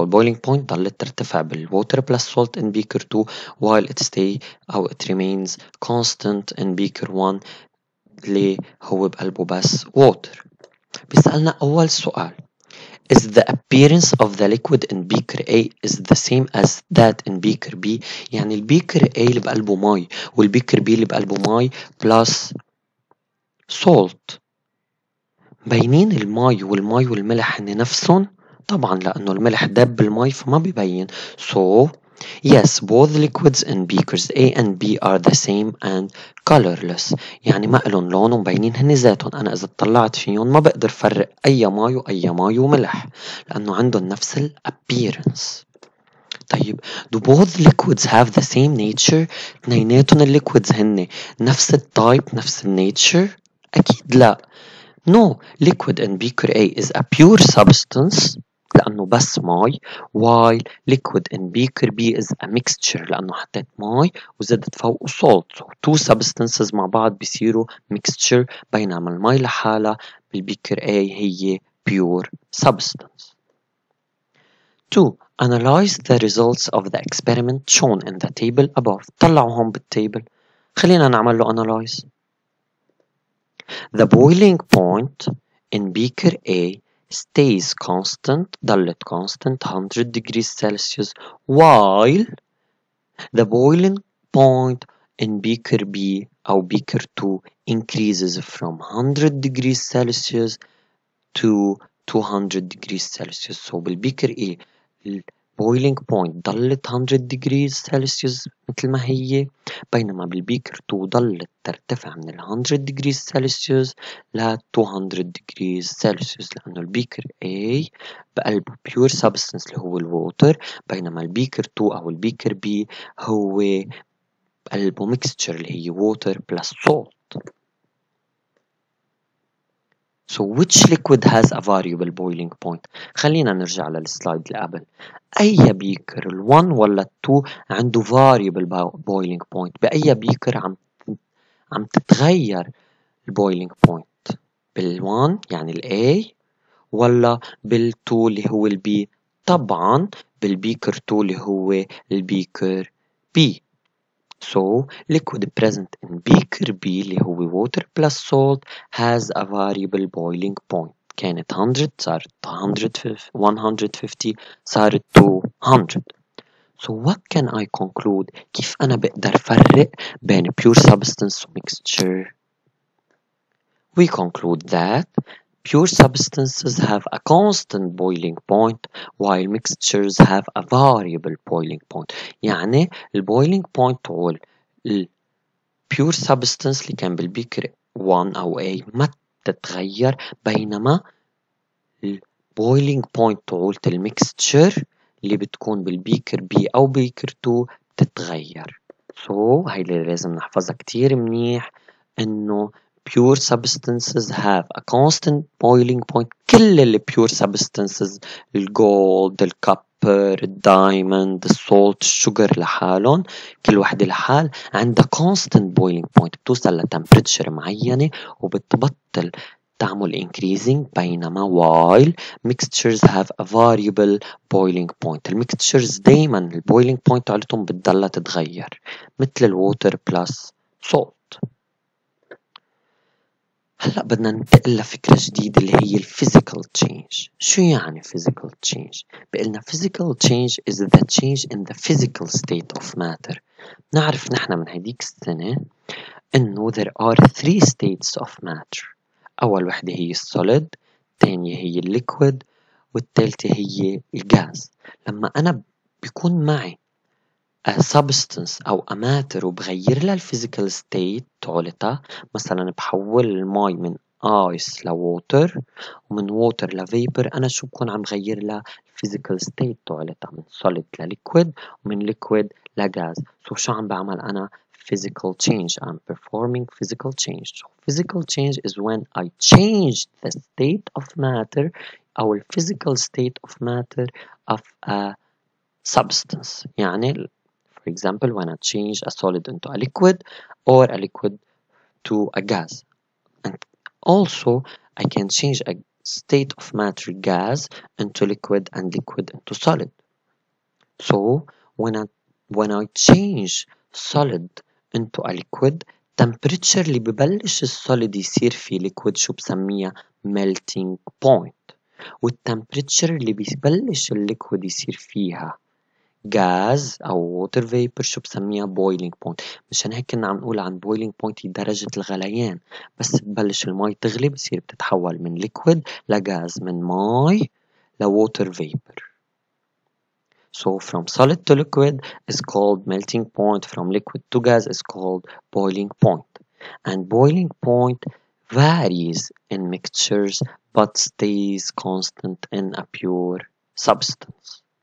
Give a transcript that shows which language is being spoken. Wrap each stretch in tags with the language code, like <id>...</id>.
<en>So boiling point</en> <ar>ضلت ترتفع</ar> <en>بالwater plus salt in beaker 2, while it stay or it remains constant in beaker 1</en> <ar>اللي هو بقلبه بس</ar> <en>water.</en> <ar>بيسألنا أول سؤال,</ar> <en>is the appearance of the liquid in beaker A is the same as that in beaker B?</en> <ar>يعني البيكر A اللي بقلبه مي والبيكر B اللي بقلبه مي</ar> <en>plus salt,</en> <ar>بينين المي والمي والملح هن نفسهم؟ طبعا, لأنه الملح دب المي فما بيبين.</ar> <en>So yes, both liquids in beakers A and B are the same and colorless.</en> <ar>يعني ما لهم لون ومبينين هن ذاتهم. أنا إذا طلعت فيهم ما بقدر فرق أي ماي وأي ماي وملح لأنه عندهم نفس الـ appearance.</ar> <en>طيب, do both liquids have the same nature?</en> <ar>اثنيناتهم الـ liquids هن نفس الـ type, نفس الـ nature؟ أكيد لا.</ar> <en>No, liquid in beaker A is a pure substance</en> <ar>لأنه بس ماي,</ar> <en>while liquid in beaker B is a mixture</en> <ar>لأنه حطيت ماي وزدت فوق</ar> <en>salt. So two substances</en> <ar>مع بعض بيصيروا mixture, بينما الماي لحالة بالبيكر A هي pure substance. 2.</ar> <en>Analyze the results of the experiment shown in the table above.</en> <ar>طلعوا هون بالتابل, خلينا نعمل له</ar> <en>analyze. The boiling point in beaker A stays constant, the lit constant, 100 degrees Celsius, while the boiling point in beaker B or beaker 2 increases from 100 degrees Celsius to 200 degrees Celsius.</en> <ar>So in beaker A, boiling point ضلت 100 degrees Celsius مثل ما هي, بينما بالبيكر 2 ضلت ترتفع من 100 degrees Celsius ل 200 degrees Celsius, لأنه البيكر A بقلبه pure substance اللي هو الووتر, بينما البيكر 2 أو البيكر B هو بقلبه mixture اللي هي</ar> <en>water plus salt. So which liquid has a variable boiling point?</en> <ar>خلينا نرجع للسلايد اللي قبل. أي بيكر, ال1 ولا ال2, عنده variable boiling point. بأي بيكر عم تتغير boiling point, بال1 يعني ال A ولا بال2 اللي هو ال B, طبعا بالبيكر 2 اللي هو البيكر B.</ar> <en>So, liquid present in beaker B,</en> <ar>اللي هو</ar> <en>water plus salt, has a variable boiling point.</en> <ar>كانت 100, صارت 150, صارت 200.</ar> <en>So, what can I conclude?</en> <ar>كيف أنا بقدر فرق بين</ar> <en>pure substance mixture? We conclude that pure substances have a constant boiling point while mixtures have a variable boiling point.</en> <ar>يعني الboiling point هو</ar> <en>pure substance</en> <ar>اللي كان بالبيكر 1 أو A ما تتغير, بينما الboiling point هو المكستشر اللي بتكون بالبيكر B أو بيكر 2 تتغير.</ar> <en>So</en> <ar>هاي اللي لازم نحفظها كتير منيح, إنه</ar> <en>pure substances have a constant boiling point.</en> <ar>كل ال pure substances, الجولد, الكوبر, الدايموند, السولت, الشجر لحالهم, كل واحد لحال عنده constant boiling point, بتوصل لتمبريتشر معينة وبتبطل تعمل increasing, بينما</ar> <en>while mixtures have a variable boiling point.</en> <ar>المكستشرز دايما ال boiling point عالتهم بتضلها تتغير, مثل ال</ar> <en>water plus salt.</en> <ar>هلأ بدنا ننتقل لفكرة جديدة اللي هي physical change. شو يعني</ar> <en>physical change؟</en> <ar>بقلنا</ar> <en>physical change is the change in the physical state of matter.</en> <ar>نعرف نحن من هديك السنة إنه</ar> <en>there are three states of matter.</en> <ar>أول واحدة هي solid, تانية هي liquid, والتالتة هي الغاز. لما أنا بيكون معي</ar> <en>a substance</en> <ar>أو a matter وبغير لها الphysical state طولتها, مثلا بحول الماء من ice لwater ومن water لvapor, أنا شو بكون عم غير لها الphysical state طولتها, من solid لliquid ومن liquid لgas.</ar> <en>so</en> <ar>شو عم بعمل أنا؟</ar> <en>physical change, I'm performing physical change. so physical change is when I change the state of matter أو الphysical state of matter of a substance. يعني for example, when I change a solid into a liquid or a liquid to a gas. And also, I can change a state of matter gas into liquid and liquid into solid. So, when I change solid into a liquid, temperature</en> <ar>اللي ببلش</ar> <en>solid</en> <ar>يصير في</ar> <en>liquid</en> <ar>شو بسميها</ar> <en>melting point.</en> <ar>والtemperature اللي ببلش liquid يصير فيها gas أو</ar> <en>water vapor</en> <ar>شو بسميها boiling point. مشان هيك كنا عم نقول عن boiling point هي درجة الغليان, بس ببلش المي تغلي بصير بتتحول من liquid لgas, من مي ل</ar> <en>water vapor. so from solid to liquid is called melting point, from liquid to gas is called boiling point, and boiling point varies in mixtures but stays constant in a pure substance.</en>